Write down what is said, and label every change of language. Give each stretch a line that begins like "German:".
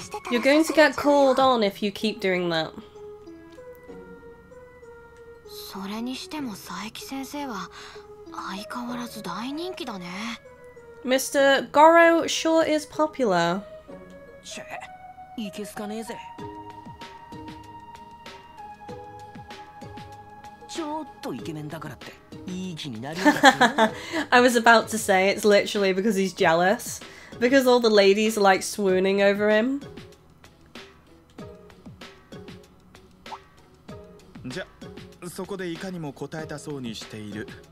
English: You're going to get called on if you keep doing that.
Japanese: それにしても佐伯先生は相変わらず大人気だね。
English: Mr. Goro sure is popular.
Japanese: ちぇ、いけすかねえぜ。ちょっとイケメンだからっていい気になるよ。
English: I was about to say it's literally because he's jealous. Because all the ladies are like swooning over him.
Japanese: じゃ、そこでいかにも答えたそうにしている。